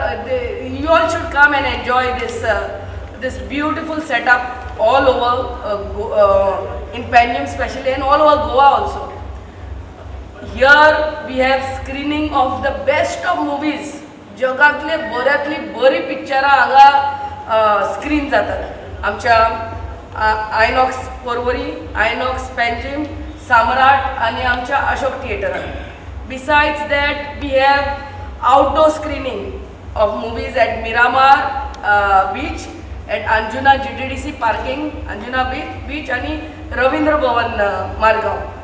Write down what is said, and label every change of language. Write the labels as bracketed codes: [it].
[en] You all should come and enjoy this this beautiful setup all over in Panjim especially and all over Goa also. Here we have screening of the best of movies, [gom] जगांतले बऱ्यांतली बरी पिक्चरां हांगा screen जातात आमच्या INOX Porvorim, INOX Panjim, सम्राट आणि आमच्या Ashok थिएटरात. [en] Besides that, we have outdoor screening of movies at Miramar Beach, at Anjuna GDDC Parking, Anjuna Beach, and Ravindra Bhavan Margao.